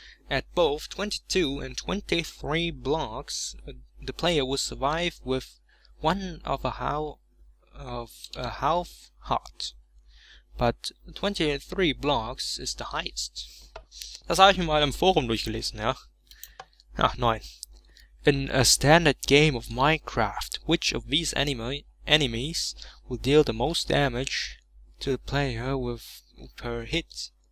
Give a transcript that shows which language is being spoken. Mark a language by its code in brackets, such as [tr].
[en] At both 22 and 23 blocks, the player will survive with half heart. But 23 blocks is the highest. [de] Das habe ich mir mal im Forum durchgelesen, ja. Ach, nein. [en] In a standard game of Minecraft, which of these enemies will deal the most damage to the player with per hit?